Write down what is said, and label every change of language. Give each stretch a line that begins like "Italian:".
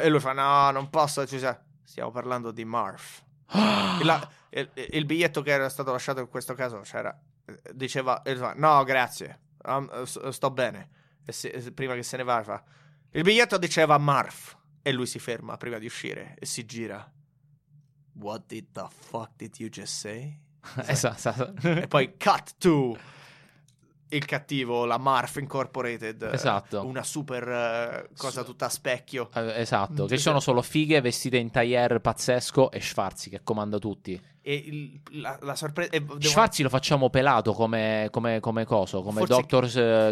Italian: E lui fa: no, non posso. Stiamo parlando di Marf. Il biglietto che era stato lasciato in questo caso c'era. Diceva: no, grazie, sto bene. Prima che se ne va, fa: il biglietto diceva Marf. E lui si ferma prima di uscire e si gira.
English: What did the fuck did you just say?
Italian: Esatto. E poi cut to il cattivo, la Marf Incorporated. Esatto. Una super cosa tutta a specchio. Esatto. Che sono solo fighe vestite in tailleur pazzesco e Schwarzi che comanda tutti. E la sorpresa. Schwarzi lo facciamo pelato come coso, come Dr.